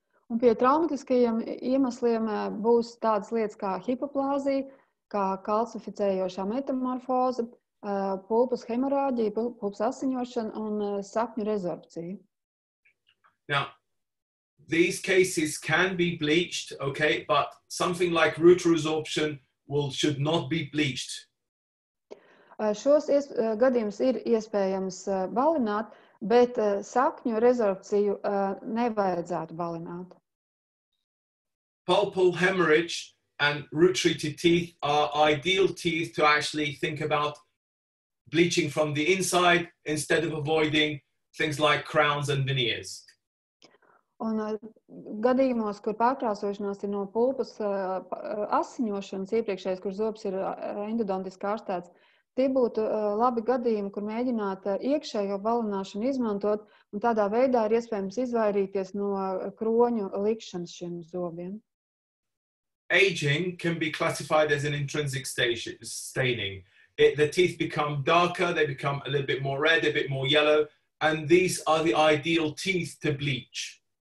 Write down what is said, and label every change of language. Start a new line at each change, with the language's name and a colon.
Latvian: Un pie traumatiskajiem iemesliem būs tādas lietas kā hipoplāzija, kā kalcificējošā metamorfoze, pulpas hemorāģija, pulpas asiņošana un sapņu rezorpcija.
English: Now, these cases can be bleached, okay, but something like root resorption should not be bleached.
Latvian: Šos gadījumus ir iespējams balināt, bet sakņu rezorpciju nevajadzētu balināt.
English: Pulpal hemorrhage and root-treated teeth are ideal teeth to actually think about bleaching from the inside instead of avoiding things like crowns and veneers.
Latvian: Un gadījumos, kur pārkrāsošanās ir no pulpas asiņošanas iepriekšējais, kur zobs ir endodontiski ārstēts, tie būtu labi gadījumi, kur mēģināt iekšējo balināšanu izmantot, un tādā veidā ir iespējams izvairīties no kroņu likšanas šiem zobiem.
English: Aging can be classified as an intrinsic staining. The teeth become darker, they become a little bit more red, a bit more yellow, and these are the ideal teeth to bleach.